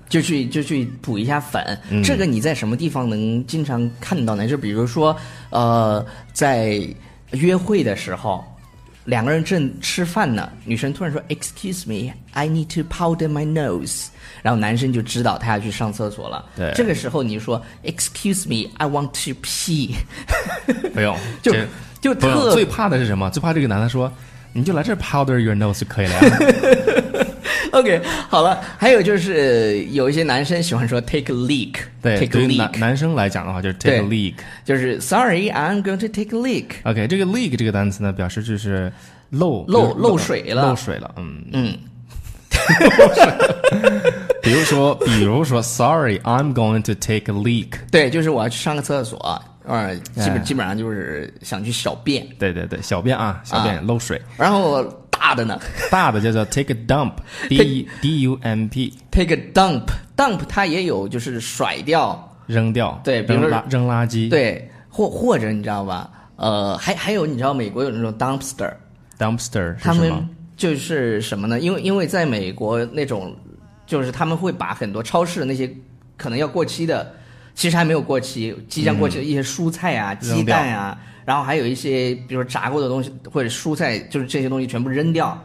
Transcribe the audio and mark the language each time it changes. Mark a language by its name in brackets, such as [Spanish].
[Chinese] 就去补一下粉、嗯、这个你在什么地方能经常看到呢？就比如说在约会的时候，两个人正吃饭呢，女生突然说 [English] Excuse me, I need to powder my nose。 [Chinese] 然后男生就知道他要去上厕所了。对，这个时候你说 [English] Excuse me, I want to pee。 [Chinese] 不用就特用，最怕的是什么？最怕这个男的说你就来这 [English] powder your nose [Chinese] 就可以了呀。 OK, 好了。还有就是有一些男生喜欢说 [English] take a leak。 [Chinese] 对， [English] take a leak。 [Chinese] 对于男生来讲的话就是 [English] take a leak, [Chinese] 就是 [English] Sorry, I'm going to take a leak。 [Chinese] OK, 这个 leak 这个单词呢表示就是漏水了。嗯嗯。比如说 [English] Sorry, I'm going to take a leak。 [Chinese] 对，就是我要去上个厕所，基本上就是想去小便。对对对，小便啊，小便啊，漏水。然后大的呢，大的叫做 [English] take a dump。 D-U-M-P take a dump。 [Chinese] dump 它也有就是甩掉扔掉，对，比如说扔垃圾。对，或者你知道吧，还有你知道美国有那种 dumpster 是什么？他们就是什么呢，因为在美国那种就是他们会把很多超市的那些可能要过期的，其实还没有过期，即将过期的一些蔬菜啊、鸡蛋啊，然后还有一些比如说炸过的东西或者蔬菜，就是这些东西全部扔掉。